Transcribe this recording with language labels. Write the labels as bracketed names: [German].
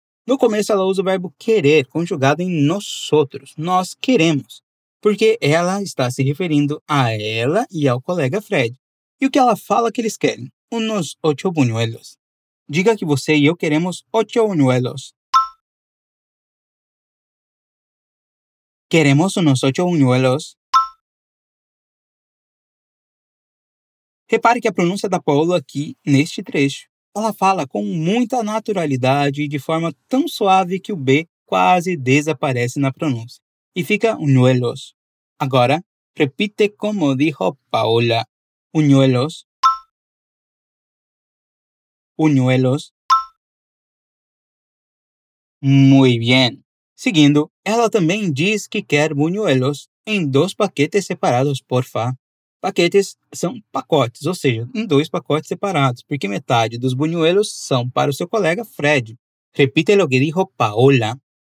[Portuguese] No começo ela usa o verbo querer, conjugado em nosotros, nós queremos, porque ela está se referindo a ela e ao colega Fred. E o que ela fala que eles querem? [Spanish] Unos 8 buñuelos. [Portuguese] Diga que você e eu queremos 8 buñuelos. [Spanish] Queremos unos 8 buñuelos. [Portuguese] Repare que a pronúncia da Paola aqui, neste trecho, ela fala com muita naturalidade e de forma tão suave que o B quase desaparece na pronúncia. E fica unuelos. [Spanish] Agora, repite como dijo Paola. Unuelos. Unuelos. Muy bien. [Portuguese] Seguindo, ela também diz que quer unuelos em 2 paquetes separados, porfa. Paquetes são pacotes, ou seja, em 2 pacotes separados, porque metade dos buñuelos são para o seu colega Fred. [Spanish] Repite lo que dijo Paola.